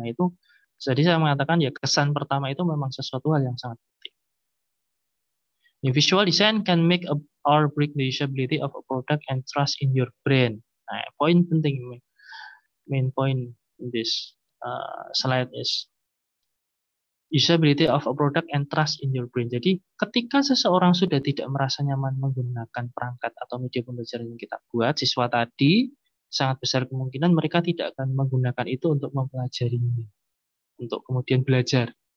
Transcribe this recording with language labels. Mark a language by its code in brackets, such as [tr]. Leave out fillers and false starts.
[id] Nah, itu jadi saya mengatakan ya kesan pertama itu memang sesuatu hal yang sangat penting. [en] The visual design can make or break the usability of a product and trust in your brand. [id] Nah, poin penting, [en] main point in this slide is usability of a product and trust in your brand. [id] Jadi, ketika seseorang sudah tidak merasa nyaman menggunakan perangkat atau media pembelajaran yang kita buat, siswa tadi sangat besar kemungkinan mereka tidak akan menggunakan itu untuk mempelajarinya, untuk kemudian belajar.